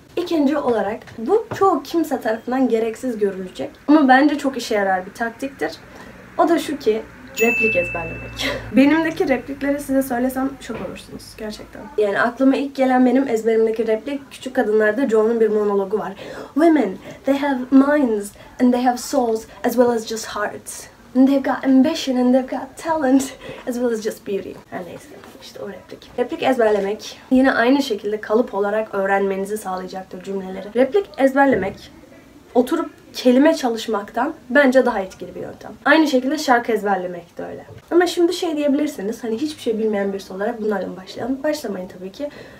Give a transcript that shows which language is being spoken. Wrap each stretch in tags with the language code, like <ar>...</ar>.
<tr>İkinci olarak, bu çoğu kimse tarafından gereksiz görülecek ama bence çok işe yarar bir taktiktir. O da şu ki, replik ezberlemek. Benimdeki replikleri size söylesem şok olursunuz gerçekten. Yani aklıma ilk gelen benim ezberimdeki replik, Küçük Kadınlar'da John'un bir monologu var.</tr> <en>Women, they have minds and they have souls as well as just hearts. And they've got ambition and they've got talent as well as just beauty.</en> <tr>Her neyse. İşte o replik. Replik ezberlemek yine aynı şekilde kalıp olarak öğrenmenizi sağlayacaktır cümleleri. Replik ezberlemek oturup kelime çalışmaktan bence daha etkili bir yöntem. Aynı şekilde şarkı ezberlemek de öyle. Ama şimdi şey diyebilirsiniz, hani hiçbir şey bilmeyen birisi olarak bunlarla mı başlayalım? Başlamayın tabii ki.</tr>